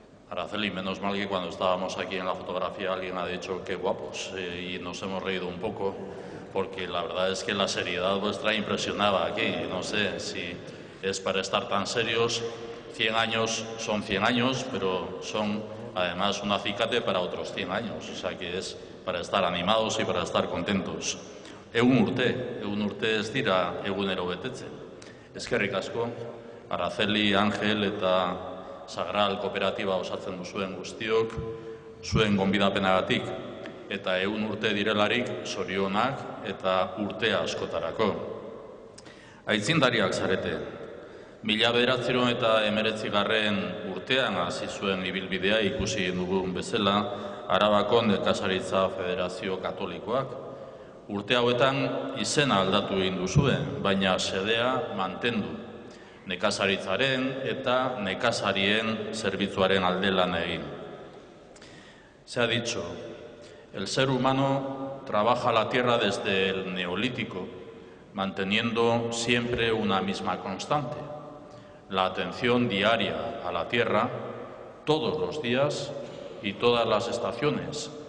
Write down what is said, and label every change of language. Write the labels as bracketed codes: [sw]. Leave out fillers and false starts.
[es] Araceli, menos mal que cuando estábamos aquí en la fotografía alguien ha dicho qué guapos y nos hemos reído un poco porque la verdad es que la seriedad vuestra impresionaba aquí. No sé si es para estar tan serios. 100 años son 100 años, pero son además un acicate para otros 100 años. O sea que es para estar animados y para estar contentos. [eu] Egun urte ez dira egunero betetzen. Eskerrik asko, Araceli, Angel eta Sagral kooperatiba osatzen duzuen guztiok, zuen gonbidapenagatik, eta egun urte direlarik zorionak eta urte askotarako. Aitzindariak zarete, 1919 urtean hasi zuen ibilbidea ikusi dugun bezala, Arabako Nekazaritza Federazio Katolikoak. Urte hauetan izena aldatu egin duzue, baina sedea mantendu. Nekazaritzaren eta nekazarien zerbitzuaren alde lan egin. [es] Se ha dicho, el ser humano trabaja la tierra desde el neolítico, manteniendo siempre una misma constante, la atención diaria a la tierra, todos los días y todas las estaciones.